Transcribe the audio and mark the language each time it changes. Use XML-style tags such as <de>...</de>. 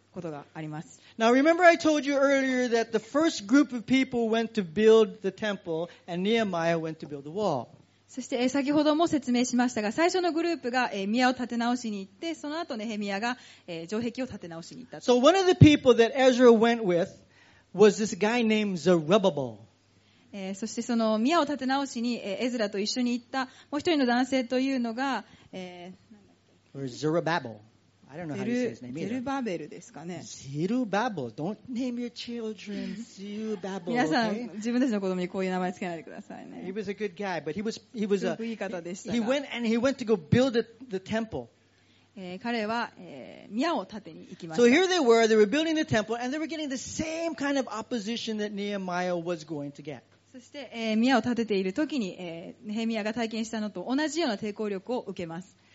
<ja>ことがあります。</ja> <en>Now remember I told you earlier that the first group of people went to build the temple and Nehemiah went to build the wall.</en> <ja>そして先ほども説明しましたが、最初のグループが宮を建て直しに行って、その後ネヘミヤが城壁を建て直しに行った。</ja> <en>So one of the people that Ezra went with was this guy named Zerubbabel.</en> <ja>そしてその宮を建て直しにエズラと一緒に行ったもう一人の男性というのが、ゼルバベル。</ja> <en>I don't know how to say his name.</en> <ja>ゼルバベルですかね。</ja> <en>ゼルバベル。Don't name your children Zerubbabel.</en> <ja>皆さん自分たちの子供にこういう名前つけないでくださいね。</ja> <en>He was a good guy, but he was</en> <ja>すごくいい方でした</ja> <en>が。He went to go build the temple.</en> <ja>彼は、宮を建てに行きました。</ja> <en>So here they were, they were building the temple, and they were getting the same kind of opposition that Nehemiah was going to get.</en> <ja>そして、宮を建てている時に、ネヘミヤが体験したのと同じような抵抗力を受けます。</ja>